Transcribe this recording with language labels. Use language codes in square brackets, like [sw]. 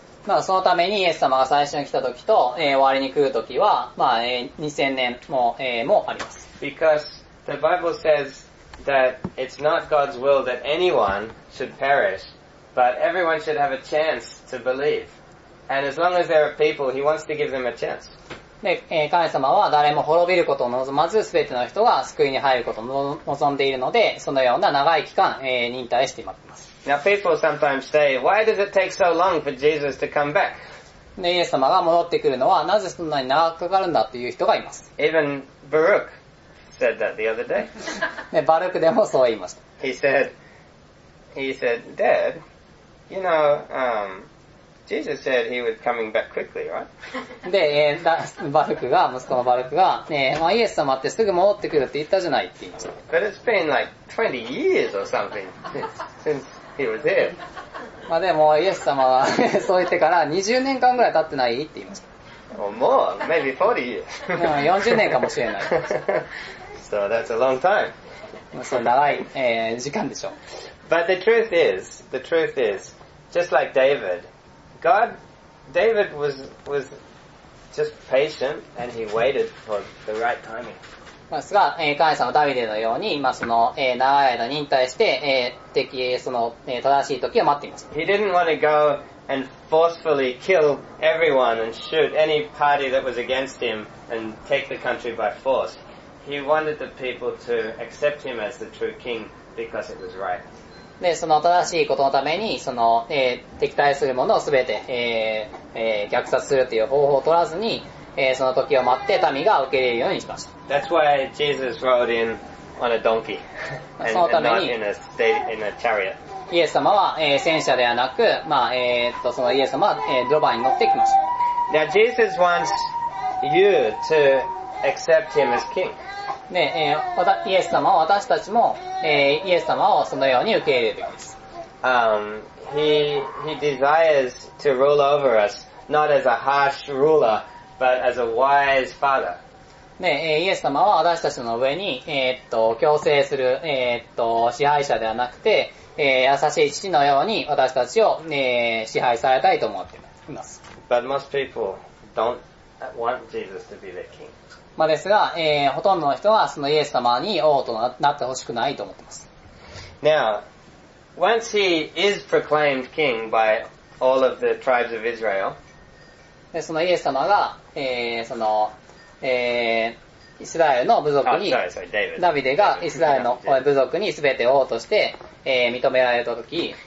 [ja] まあそのためにイエス様が最初に来た時と、終わりに来る時は、まあ、2000年も、もあります。 [en] Because the Bible says that it's not God's will that anyone should perish, but everyone should have a chance to believe. And as long as there are people, he wants to give them a chance. [ja] で、神様は誰も滅びることを望まず、すべての人が救いに入ることを望んでいるので、そのような長い期間、忍耐して待っています。 [en] Now people sometimes say, why does it take so long for Jesus to come back? [ja] で、イエス様が戻ってくるのは、なぜそんなに長くかかるんだという人がいます。 [en] Even Baruch said that the other day. [ja] で、バルクでもそう言いました。 [en] He said, Dad, you know, Jesus said he was coming back quickly, right? [ja] で、バルクが、息子のバルクが、ね、まあ、イエス様ってすぐ戻ってくるって言ったじゃないって言いました。 [en] But it's been like 20 years or something since he was here. [ja] まあでも、イエス様は、ね、そう言ってから20年間ぐらい経ってないって言いました。 [en] Or more, maybe 40 years. [ja] 40年かもしれない。 [en] So that's a long time. [ja] まあ、そう、長い、時間でしょう。 [en] But the truth is, just like David,David was just patient and he waited for the right timing. [ja] ですが、神様ダビデのように、まあ、その、長い間忍耐して、敵、その、正しい時を待っています。 [en] He didn't want to go and forcefully kill everyone and shoot any party that was against him and take the country by force. He wanted the people to accept him as the true king because it was right. [ja] で、その正しいことのために、その、敵対するものをすべて、虐殺するという方法を取らずに、その時を待って民が受け入れるようにしました。 [en] That's why Jesus rode in on a donkey. [ja] そのために、 [en] in a chariot. [ja] イエス様は、戦車ではなく、まあそのイエス様は、ロバに乗ってきました。 [en] Now Jesus wants you to accept him as king. [ja] で、イエス様を私たちも、イエス様をそのように受け入れるべきです。 [en] He desires to rule over us not as a harsh ruler, but as a wise father. [ja] ね、イエス様は私たちの上に、強制する、支配者ではなくて、優しい父のように私たちを、支配されたいと思っています。 [en] But most people don't want Jesus to be their king. [ja] まあですが、ほとんどの人はそのイエス様に王となってほしくないと思っています。 [en] Now, once he is proclaimed king by all of the tribes of Israel, [ja] でそのイエス様が、その、イスラエルの部族に、ダビデがイスラエルの部族にすべて王として、認められたとき、